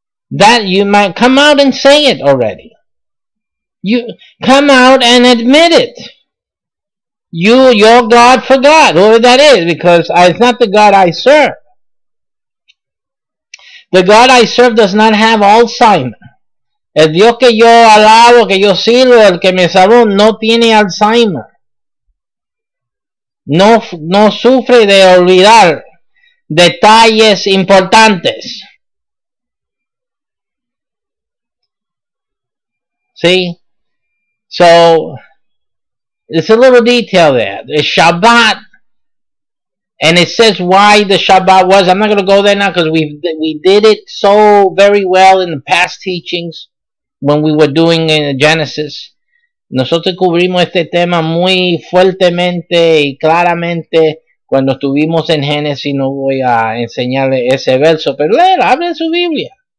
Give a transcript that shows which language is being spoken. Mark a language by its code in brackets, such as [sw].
[en] That you might come out and say it already. You come out and admit it. Your God forgot, whoever that is, because it's not the God I serve. The God I serve does not have Alzheimer. [es] El Dios que yo alabo, que yo sirvo, el que me salvó, no tiene Alzheimer. No sufre de olvidar detalles importantes. [en] See, so it's a little detail there. It's Shabbat, and it says why the Shabbat was. I'm not going to go there now because we did it so very well in the past teachings when we were doing in Genesis. [es] Nosotros cubrimos este tema muy fuertemente y claramente cuando estuvimos en Génesis. No voy a enseñarle ese verso, pero léelo, abre su Biblia.